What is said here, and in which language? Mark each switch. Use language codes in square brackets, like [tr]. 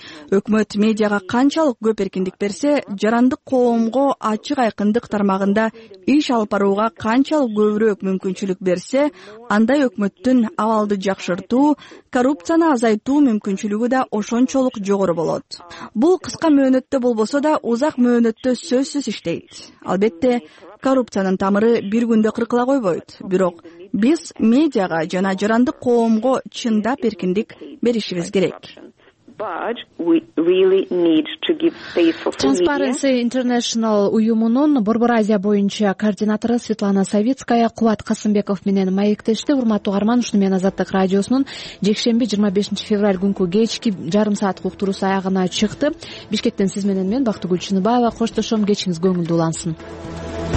[ky] Өкмөт медиага канчалык көп эркиндик берсе, жарандык коомго ачык айкындык тармагында иш алып барууга канчалык көбүрөөк мүмкүнчүлүк берсе, андай өкмөттүн абалды жакшыртуу, коррупцияны азайтуу мүмкүнчүлүгү да ошончолук жогору болот. Бул кыска мөөнөттө болбосо да, узак мөөнөттө сөзсүз иштейт. Албетте, коррупциянын тамыры бир күндө кыркыла койбойт. Бирок биз медиага жана жарандык коомго чындап эркиндик беришибиз керек. [en] But we really need to give space for Transparency media. [ky] International уюмунун Борбор Азия боюнча координатору Светлана Савицкая, Кубат Касымбеков менен маектеште урматтуу карман ушуну менен Азаттык радиосунун жекшемби 25-февраль күнкү кечки жарым саат уктуруусу аягына чыкты. Бишкектен сиз менен мен Бактыгүл Чыныбаева коштошом, кечиңиз көңүлдүү улансын.